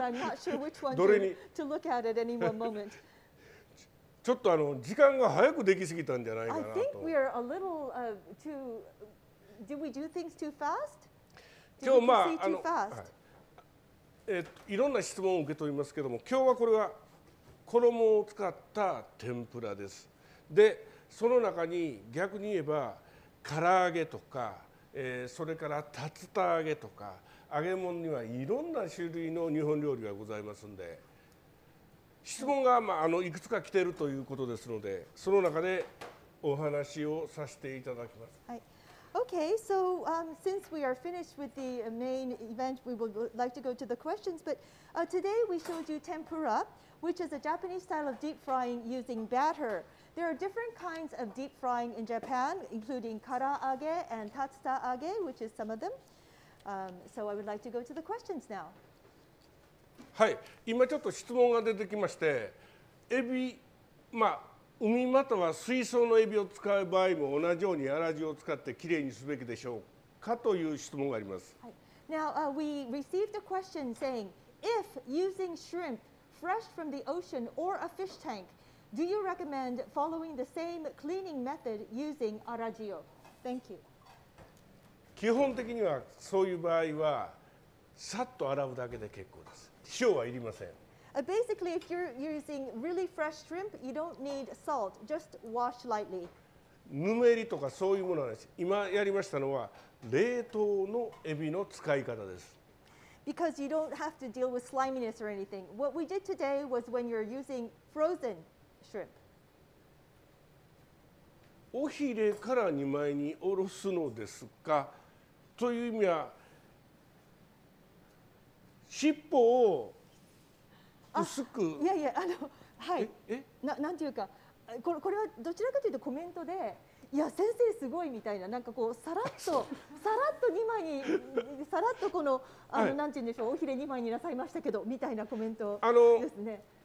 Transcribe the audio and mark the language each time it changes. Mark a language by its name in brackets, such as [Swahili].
[English] I'm not sure which one to look at any one moment. [Japanese] ちょっと時間が早くできすぎたんじゃないかなと。 [English] I think we are a little too. Did we do things too fast? Did we proceed too fast? [Japanese] いろんな質問を受け取りますけども、今日はこれは衣を使った天ぷらです。で、その中に逆に言えば。唐揚げとか、それから竜田揚げとか、揚げ物にはいろんな種類の日本料理がございますので、質問が、まあ、いくつか来ているということですので、その中でお話をさせていただきます。はい。 [English] Okay, so since we are finished with the main event, we would like to go to the questions. But today we showed you tempura, which is a Japanese style of deep frying using batter. There are different kinds of deep frying in Japan, including karaage and tatsutaage, which is some of them. So I would like to go to the questions now. [Japanese] はい、今ちょっと質問が出てきまして、エビ、まあ海または水槽のエビを使う場合も同じように粗塩を使ってきれいにすべきでしょうかという質問があります。はい。 [English] Now, we received a question saying, if using shrimp fresh from the ocean or a fish tank, do you recommend following the same cleaning method using Ageru? Thank you. [Japanese] 基本的にはそういう場合はさっと洗うだけで結構です。塩はいりません。 [English] Basically, if you're using really fresh shrimp, you don't need salt. Just wash lightly. [Japanese] ぬめりとかそういうものはないです。今やりましたのは冷凍のエビの使い方です。 [English] Because you don't have to deal with sliminess or anything. What we did today was when you're using frozen shrimp. [Japanese] おひれから2枚におろすのですか？という意味は尻尾を薄く、いやいや、あの、はい、なんていうか、これはどちらかというとコメントで、いや先生すごいみたいな、なんかこうさらっとさらっと2枚にさらっとこの、あの、なんていうんでしょう、おひれ2枚になさいましたけどみたいなコメントですね。